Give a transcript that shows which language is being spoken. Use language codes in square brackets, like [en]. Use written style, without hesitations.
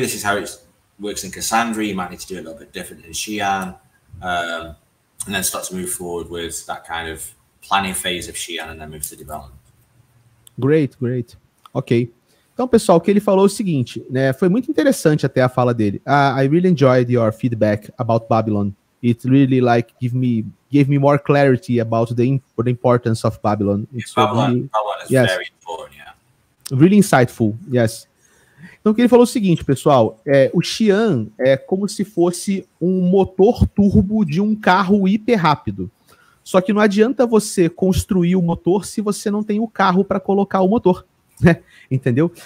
[en] This is how it works in Cassandra. You might need to do it a little bit different in Xian. And then start to move forward with that kind of planning phase of Xian and then move to development. Great, great. Okay. [pt] Então, pessoal, o que ele falou é o seguinte, né? Foi muito interessante até a fala dele. [en] I really enjoyed your feedback about Babylon. It really like gave me more clarity about the importance of Babylon. Babylon is very important, yeah. Really insightful, yes. [pt] Então, o que ele falou é o seguinte, pessoal, o Xian é como se fosse um motor turbo de um carro hiper rápido. Só que não adianta você construir o motor se você não tem o carro para colocar o motor. Entendeu?